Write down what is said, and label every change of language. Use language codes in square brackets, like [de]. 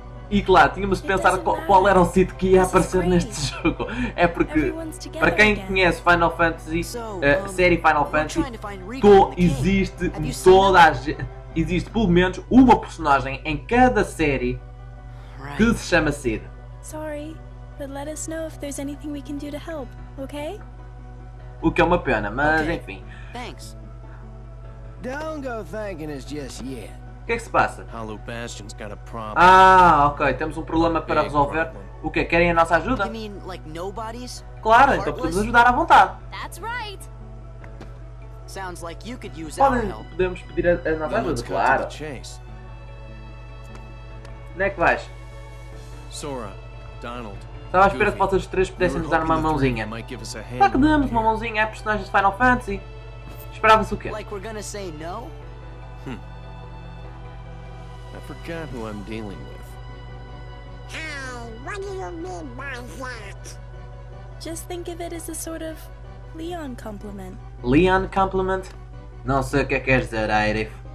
[pt] E claro, tínhamos de pensar qual era o sítio que ia aparecer neste jogo. É porque, para quem conhece Final Fantasy, série Final Fantasy, existe toda a gente. Existe pelo menos uma personagem em cada série que se chama Cid. [en] Sorry, but let us know if there's anything we can do to help, okay? [pt] O que é uma pena, mas enfim. [en] Thanks. Don't go thinking it's just yet. [pt] O que é que se passa? [en] Hollow Bastion's got a problem. [pt] Ah, ok, temos um problema para resolver. O quê? Querem a nossa ajuda? [en] You mean, like, nobodies? [pt] Claro, então podemos ajudar à vontade. [en] That's right. Sounds like you could use our help. [pt] Podemos pedir a nossa ajuda, claro. Onde é que vais? Sora, Donald. Estava à espera que vocês três pudessem nos dar uma mãozinha. Será que damos uma mãozinha a personagens de Final Fantasy? Esperava-se o quê? [en] Like we're gonna say no? I forgot who I'm dealing with. Hey, what do you mean by that? Just think of it as a sort of Leon compliment. Leon compliment? [pt] Não sei o que é que queres dizer, Arif.